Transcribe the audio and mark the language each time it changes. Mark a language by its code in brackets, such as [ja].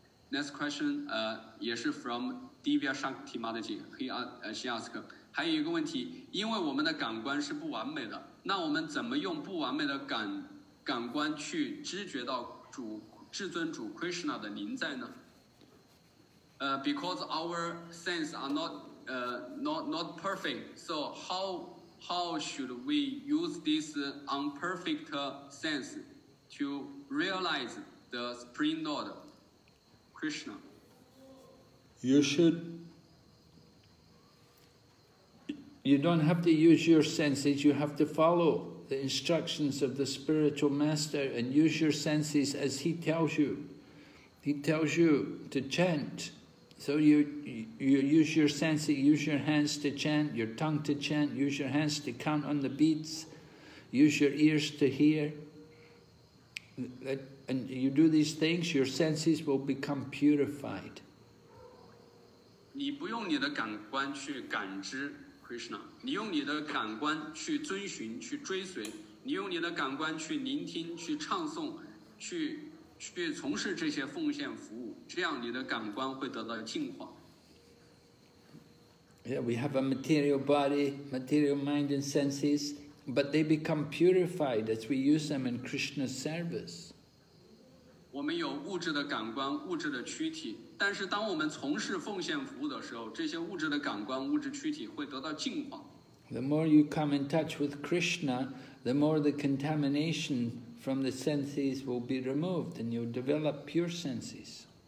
[en] Next question. [zh] 也是 [en] from Divya Shakti Mataji. She asked. [zh] 还有一个问题，因为我们的感官是不完美的，那我们怎么用不完美的感官去知觉到至尊主 Krishna 的临在呢？ [en] Because our senses are not perfect, so how should we use this imperfect sense to realize the Supreme Lord, Krishna? You don't have to use your senses, you have to follow the instructions of the spiritual master and use your senses as he tells you. He tells you to chant. So you use your senses, use your hands to chant, your tongue to chant, use your hands to count on the beats, use your ears to hear. And you do these things, your senses will become purified. [zh] 你不用你的感官去感知Krishna, 你用你的感官去遵循，去追随，你用你的感官去聆听，去唱诵，去从事这些奉献服务，这样你的感官会得到净化。 [en] Yeah, we have a material body, material mind and senses, but they become purified as we use them in Krishna's service. [zh] 我们有物质的感官，物质的躯体，但是当我们从事奉献服务的时候，这些物质的感官、物质躯体会得到净化。 [en] The more you come in touch with Krishna, the more the contamination from the senses will be removed, and you'll develop pure senses.